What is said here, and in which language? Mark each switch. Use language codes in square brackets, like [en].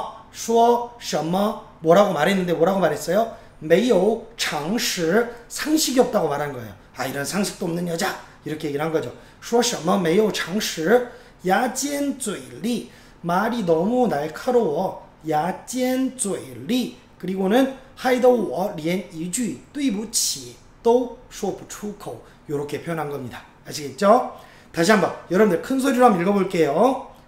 [zh] 说什么 [ko] 뭐라고 말했는데 뭐라고 말했어요? 매우 常识 상식이 없다고 말한 거예요. 아 이런 상식도 없는 여자 이렇게 얘기를 한 거죠. [zh] 说什么没有常识 야尖嘴利 [ko] 말이 너무 날카로워 [zh] 야尖嘴利 그리고는 害得我连一句对不起都说不出口 [ko] 이렇게 표현한 겁니다. 아시겠죠? 다시 한번 여러분들 큰 소리로 한번 읽어볼게요.